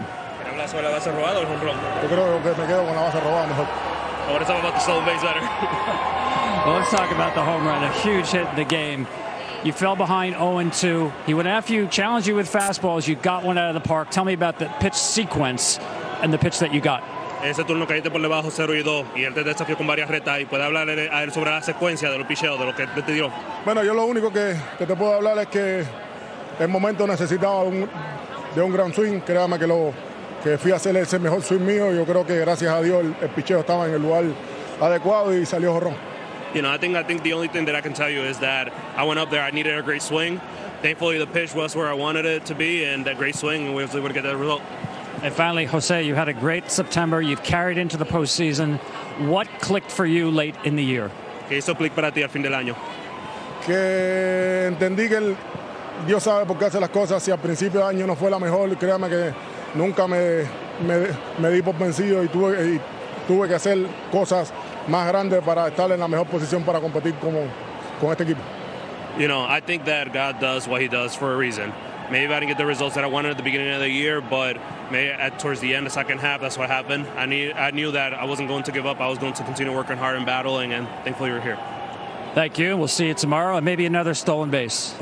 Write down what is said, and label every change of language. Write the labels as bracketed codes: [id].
[en] I want to talk about the stolen base better. Well, let's talk about the home run, a huge hit in the game. You fell behind 0-2. He went after you, challenged you with fastballs. You got one out of the park. Tell me about the pitch sequence and the pitch that you got. [es] Ese turno caíste por debajo 0-2 y él te desafió con varias retas y puede hablarle a él sobre la secuencia de los picheos, de lo que te dio. Bueno, yo lo único que te puedo hablar es que el momento necesitaba de un gran swing, créame que lo... que fui a hacer ese mejor swing mío. Yo creo que gracias a Dios el picheo estaba en el lugar adecuado y salió jorrón. [en] You know, I think the only thing that I can tell you is that I went up there, I needed a great swing. Thankfully, the pitch was where I wanted it to be, and that great swing, and we were able to get that result. And finally, Jose, you had a great September. You've carried into the postseason. What clicked for you late in the year? [es] ¿Qué hizo click para ti al fin del año? Que entendí que Dios sabe por qué hace las cosas. Si al principio del año no fue la mejor, créame que nunca me di por vencido y tuve que hacer cosas más grandes para estar en la mejor posición para competir con este equipo. [en] You know, I think that God does what he does for a reason. Maybe I didn't get the results that I wanted at the beginning of the year, but towards the end, the second half, that's what happened. I knew that I wasn't going to give up. I was going to continue working hard and battling, and thankfully you're here. Thank you. We'll see you tomorrow, and maybe another stolen base.